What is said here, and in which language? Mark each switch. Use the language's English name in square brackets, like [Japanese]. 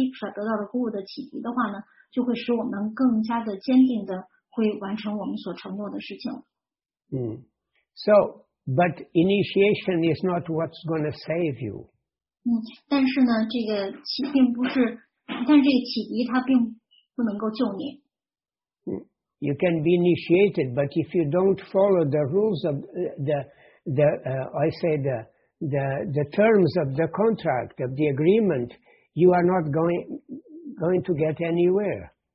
[Chinese] 那就比如说，当我们在有一个合作项目的时候，我们如果要是签了合同，然后有了这个协议的话呢，那就会让我们变得更加的心定，就觉得就这个我们的之间的这个合作就能更好的进行下去。那么在这个卡利年代，那我们念诵这件事其实也不是那么的这个稳定，但是如果我们要是得到了Diksha，得到了Guru的启迪的话呢？就会使我们更加的坚定的会完成我们所承诺的事情。 [English] So, but initiation is not what's going to save you. [Chinese] 但是呢，这个启迪它并不能够救你。 [English] You can be initiated, but if you don't follow the rules of the terms of the contract of the agreement, you are not going to get anywhere.